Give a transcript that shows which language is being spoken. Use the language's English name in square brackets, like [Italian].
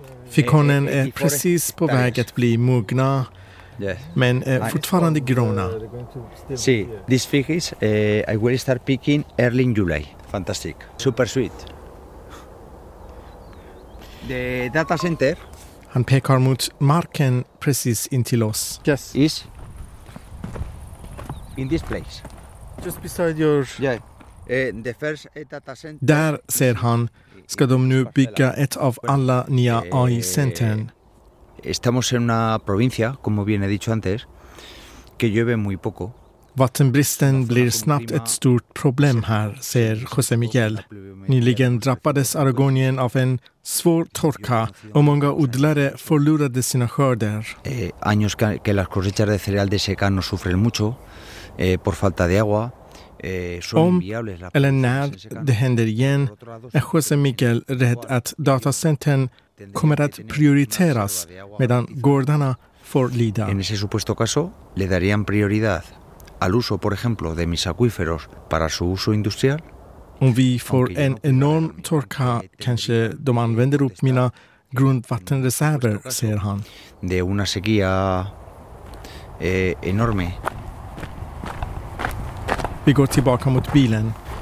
[Swedish] Fikonen är precis på väg att bli mogna, men fortfarande gröna. [English] Si, this fig is, I will start picking early in July. Fantastic. Super sweet. The data center. [Swedish] Han pekar mot marken precis intill oss. [English] Yes. Is in this place. Just beside your... Yeah. The first data center. [Swedish] Där, säger han, ska de nu bygga ett av alla nya AI-centern. [Spanish] Estamos en una provincia, como bien he dicho antes, que llueve muy poco. [Swedish] Vattenbristen blir snabbt ett stort problem här, säger José Miguel. Nyligen drabbades Aragonien av en svår torka och många odlare förlorade sina skörder. [Spanish] Años que las cosechas de cereal de secano sufren mucho por falta de agua. [Swedish] Om eller när det händer igen är José Miguel rädd att datacentern kommer att prioriteras medan gårdarna får lida. [Spanish] En ese supuesto caso le darían prioridad al uso, por ejemplo, de mis acuíferos para su uso industrial. [Swedish] Om vi får en enorm torka kanske de använder upp mina grundvattenreserver, säger han. [Spanish] De una sequía enorme. [Swedish] Vi går tillbaka mot bilen.